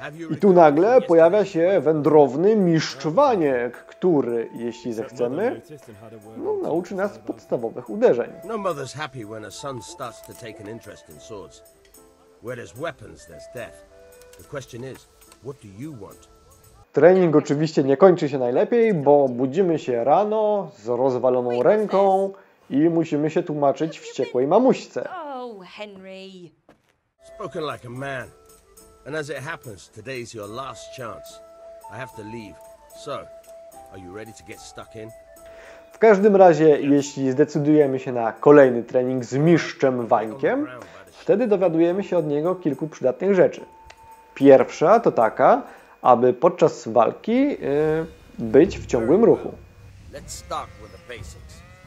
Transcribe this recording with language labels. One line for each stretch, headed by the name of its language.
Polish: I tu nagle pojawia się wędrowny mistrz Waniek, który, jeśli zechcemy, no, nauczy nas podstawowych uderzeń.
English: No mother's happy when a son starts to take an interest in swords. Where there's weapons, there's death. The question is, what do you want?
Polish: Trening oczywiście nie kończy się najlepiej, bo budzimy się rano z rozwaloną ręką i musimy się tłumaczyć wściekłej mamusce.
English: Oh, Henry. Spoken like a man. And as it happens, today's your last chance. I have to leave. So, are you ready to get stuck in?
Polish: W każdym razie, jeśli zdecydujemy się na kolejny trening z mistrzem Wańkiem, wtedy dowiadujemy się od niego kilku przydatnych rzeczy. Pierwsza to taka, aby podczas walki być w ciągłym ruchu.
English: Let's start with the basics.